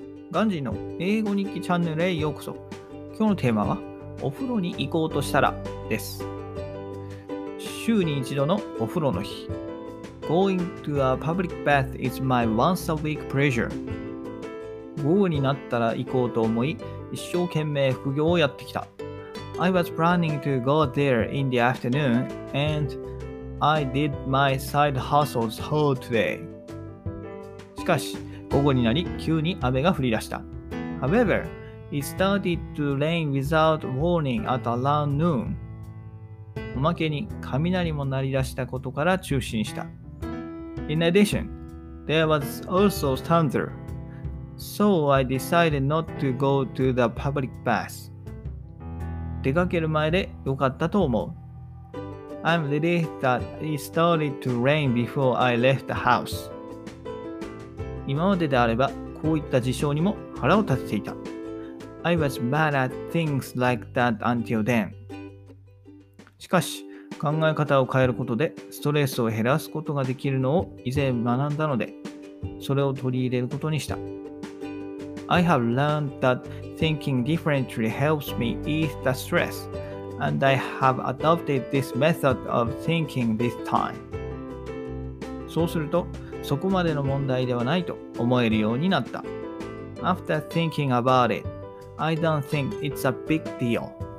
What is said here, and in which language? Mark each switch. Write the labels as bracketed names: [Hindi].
[Japanese] ガンジーの英語日記チャンネルへようこそ。今日のテーマはお風呂に行こうとしたらです。週に一度のお風呂の日。 [English] Going to a public bath is my once a week pleasure。 [Japanese] 午後になったら行こうと思い、一生懸命副業をやってきた。 [English] I was planning to go there in the afternoon and I did my side hustles whole today。 [Japanese] しかし午後になり、急に雨が降り出した。 [English] However, it started to rain without warning at around noon。 [Japanese] おまけに、雷も鳴り出したことから中止にした。 [English] In addition, there was also thunder, so I decided not to go to the public bath。 [Japanese] 出かける前で良かったと思う。 [English] I'm relieved that it started to rain before I left the house。 [Japanese] 今までであれば、こういった事象にも腹を立てていた。 [English] I was mad at things like that until then。 [Japanese] しかし、考え方を変えることでストレスを減らすことができるのを以前学んだので、それを取り入れることにした。 [English] I have learned that thinking differently helps me ease the stress, and I have adopted this method of thinking this time。 [Japanese] そうすると、そこまでの問題ではないと思えるようになった。 [English] After thinking about it, I don't think it's a big deal.